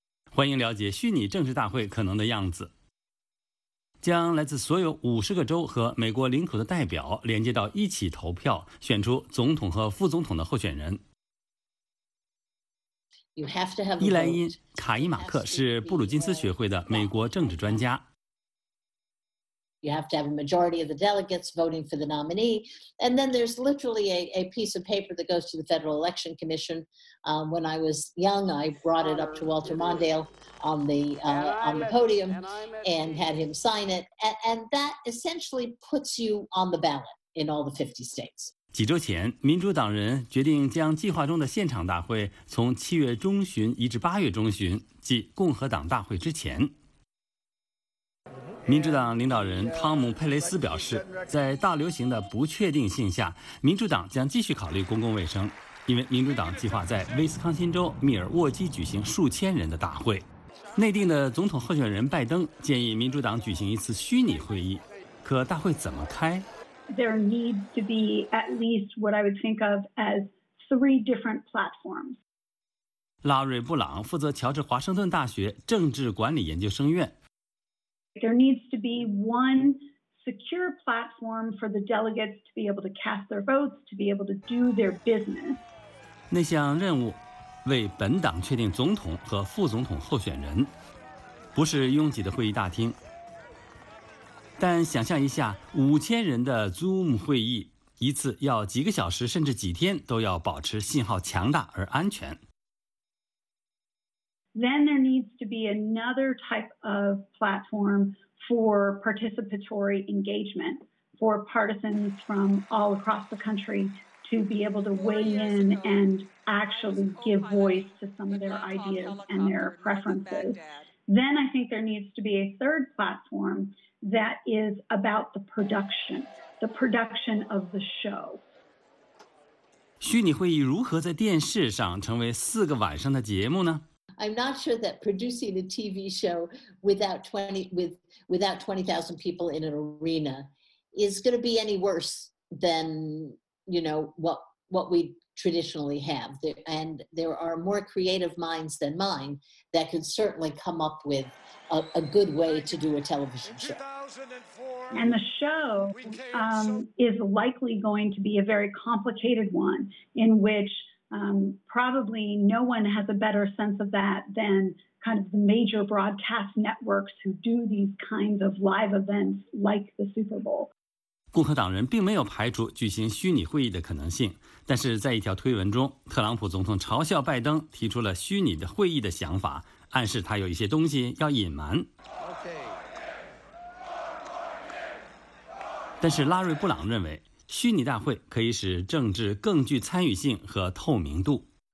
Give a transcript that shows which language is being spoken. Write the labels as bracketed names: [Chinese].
[Chinese] 欢迎了解虚拟政治大会可能的样子，将来自所有50个州和美国领土的代表连接到一起投票，选出总统和副总统的候选人。伊莱因·卡伊马克是布鲁金斯学会的美国政治专家。 [English] You have to have a majority of the delegates voting for the nominee, and then there's literally a piece of paper that goes to the Federal Election Commission. When I was young, I brought it up to Walter Mondale on the podium and had him sign it, and that essentially puts you on the ballot in all the 50 states. [Chinese] 几周前，民主党人决定将计划中的现场大会从七月中旬移至八月中旬，即共和党大会之前。民主党领导人汤姆·佩雷斯表示，在大流行的不确定性下，民主党将继续考虑公共卫生，因为民主党计划在威斯康辛州密尔沃基举行数千人的大会。内定的总统候选人拜登建议民主党举行一次虚拟会议，可大会怎么开？ [English] There needs to be at least what I would think of as three different platforms. [Chinese] 拉瑞·布朗负责乔治华盛顿大学政治管理研究生院。 [English] There needs to be one secure platform for the delegates to be able to cast their votes, to be able to do their business. [Chinese] 那项任务，为本党确定总统和副总统候选人，不是拥挤的会议大厅。但想象一下，5000人的 Zoom 会议，一次要几个小时，甚至几天，都要保持信号强大而安全。 [English] Then there needs to be another type of platform for participatory engagement for partisans from all across the country to be able to weigh in and actually give voice to some of their ideas and their preferences. Then I think there needs to be a third platform that is about the production of the show. [Chinese] 虚拟会议如何在电视上成为四个晚上的节目呢？ [English] I'm not sure that producing a TV show without 20,000 people in an arena is going to be any worse than, you know, what we traditionally have. And there are more creative minds than mine that could certainly come up with a good way to do a television show. And the show is likely going to be a very complicated one in which probably no one has a better sense of that than kind of the major broadcast networks who do these kinds of live events like the Super Bowl. [Chinese] 共和党人并没有排除举行虚拟会议的可能性，但是在一条推文中，特朗普总统嘲笑拜登提出了虚拟的会议的想法，暗示他有一些东西要隐瞒。但是拉瑞·布朗认为，虚拟大会可以使政治更具参与性和透明度。